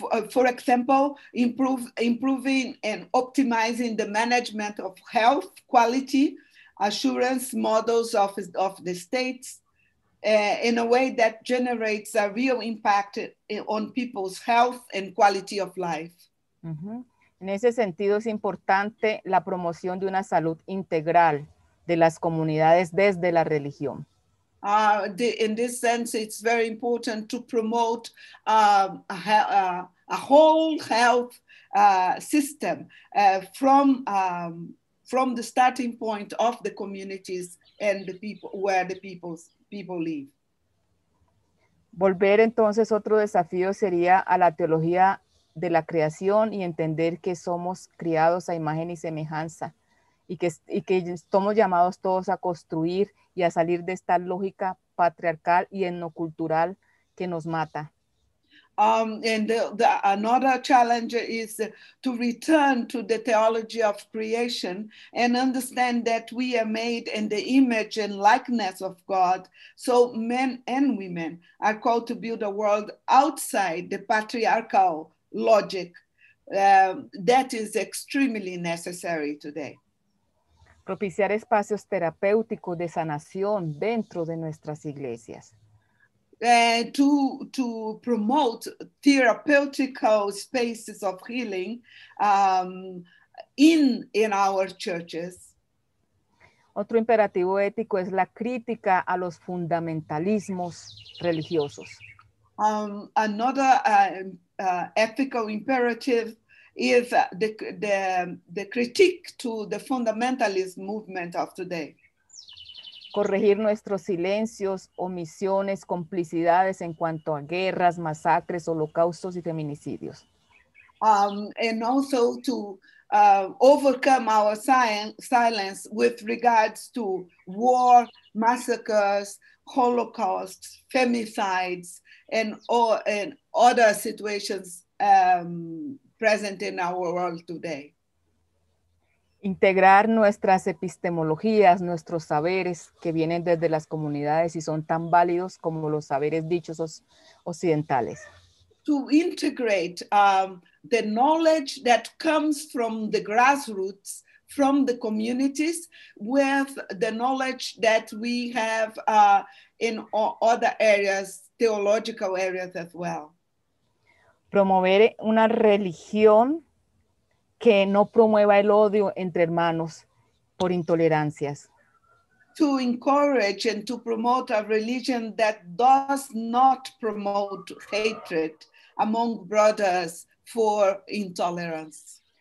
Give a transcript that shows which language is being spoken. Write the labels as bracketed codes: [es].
[en] For example, improving and optimizing the management of health quality assurance models of the states in a way that generates a real impact on people's health and quality of life. Mm-hmm. [es] En ese sentido, es importante la promoción de una salud integral de las comunidades desde la religión. [en] In this sense, it's very important to promote a whole health system from the starting point of the communities and the people where the people live. [es] Volver entonces otro desafío sería a la teología de la creación y entender que somos criados a imagen y semejanza. Y que estamos llamados todos a construir y a salir de esta lógica patriarcal y etnocultural que nos mata. [en] And another challenge is to return to the theology of creation and understand that we are made in the image and likeness of God. So men and women are called to build a world outside the patriarchal logic that is extremely necessary today. [es] Propiciar espacios terapéuticos de sanación dentro de nuestras iglesias. [en] To promote therapeutical spaces of healing in our churches. [es] Otro imperativo ético es la crítica a los fundamentalismos religiosos. [en] Another ethical imperative is the critique to the fundamentalist movement of today. [es] Corregir nuestros silencios, omisiones, complicidades en cuanto a guerras, masacres, holocaustos y feminicidios. [en] And also to overcome our silence with regards to war, massacres, holocausts, femicides, and other situations present in our world today. [es] Integrar nuestras epistemologías, nuestros saberes que vienen desde las comunidades y son tan válidos como los saberes dichos occidentales. [en] To integrate the knowledge that comes from the grassroots, from the communities, with the knowledge that we have in other areas, theological areas as well. [es] Promover una religión que no promueva el odio entre hermanos por intolerancias. [en] To encourage and to promote a religion that does not promote hatred among brothers for intolerance.